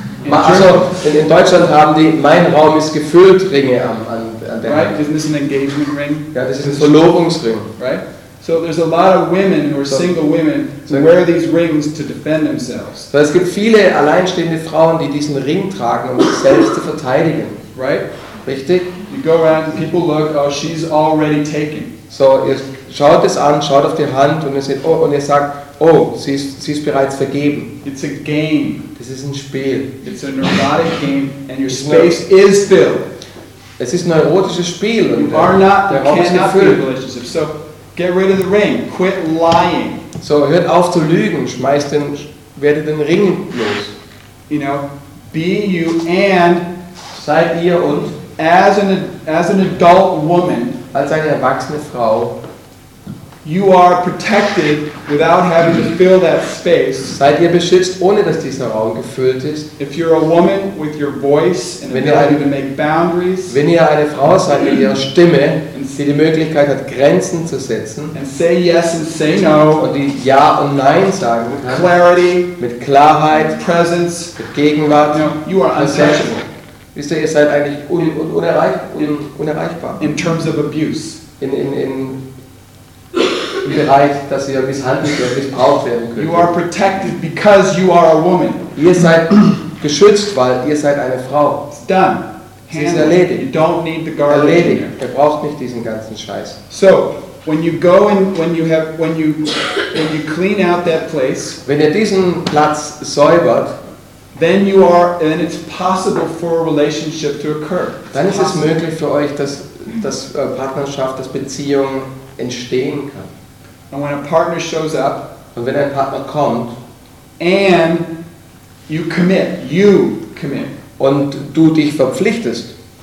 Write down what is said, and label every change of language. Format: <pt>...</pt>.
<de>Also in Deutschland haben die mein Raum ist gefüllt Ringe an der Hand.</de> <en>Right, isn't this an engagement ring?</en> <de>Ja, das ist ein Verlobungsring.</de> <en>Right. So there's a lot of women who are single women who wear these rings to defend themselves.</en> <de>So es gibt viele alleinstehende Frauen, die diesen Ring tragen, um sich selbst zu verteidigen.</de> <en>Right.</en> <de>Richtig.</de> <en>You go around, people look. Oh, she's already taken.</en> <de>So ihr schaut es an, schaut auf die Hand und ihr seht, oh, und ihr sagt, oh, sie ist bereits vergeben.</de> <en>It's a game.</en> <de>Das ist ein Spiel.</de> <en>It's a neurotic game and your space is filled.</en> <de>Es ist ein neurotisches Spiel.</de> <en>You are not, you cannot be in a relationship. So get rid of the ring. Quit lying.</en> <de>So hört auf zu lügen. Werdet den Ring los.</de> <en>You know, be you and</en> <de>seid ihr und</de> <en>as an adult woman,</en> <de>als eine erwachsene Frau,</de> <en>you are protected without having to fill that space.</en> <de>Seid ihr beschützt, ohne dass dieser Raum gefüllt ist?</de> <en>If you're a woman with your voice and ability to make boundaries,</en> <de>wenn ihr eine Frau seid mit ihrer Stimme, die Möglichkeit hat, Grenzen zu setzen,</de> <en>and say yes and say no,</en> <de>und die Ja und Nein sagen kann,</de> <en>with clarity,</en> <de>mit Klarheit,</de> <en>with presence,</en> <de>mit Gegenwart,</de> <en>you know, you are untouchable.</en> <de>Wisst ihr seid eigentlich unerreichbar.</de> <en>In terms of abuse.</en> <de>In Bereich, dass ihr misshandelt oder missbraucht werden könnt.</de> <en>You are protected because you are a woman.</en> <de>Ihr seid geschützt, weil ihr seid eine Frau.</de> <en>It's done.</en> <de>Sie ist erledigt.</de> <en>You don't need the guard.</en> <de>Erledigt. Ihr braucht nicht diesen ganzen Scheiß.</de> <en>So, when you go and when you clean out that place.</en> <de>Wenn ihr diesen Platz säubert.</de> <en>Then you are, and it's possible for a relationship to occur.</en> <de>Dann ist es möglich für euch, dass Partnerschaft, dass Beziehung entstehen kann.</de> <en>And when a partner shows up,</en> <de>und wenn ein Partner kommt,</de> <en>and you commit,</en> <de>und du dich verpflichtest,</de>